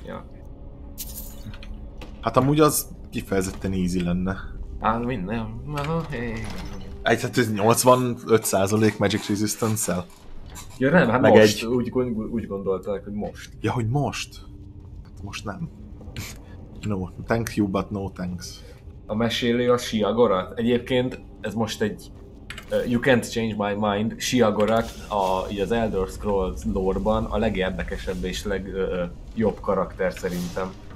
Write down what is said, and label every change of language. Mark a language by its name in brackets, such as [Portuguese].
[Hungarian] Ja. Hát amúgy az kifejezetten easy lenne. Hát minden. Egy, hát ez 85% Magic Resistance-el? Ja nem, hát meg most. Egy... Úgy gondolták, hogy most. Ja, hogy most? Hát most nem. [English] No, thank you, but no thanks. [Hungarian] A mesélő a Shi'Agorath. Egyébként ez most egy [English] you can't change my mind. [Hungarian] Shi'Agorath az Elder Scrolls lore-ban a legérdekesebb és legjobb karakter szerintem.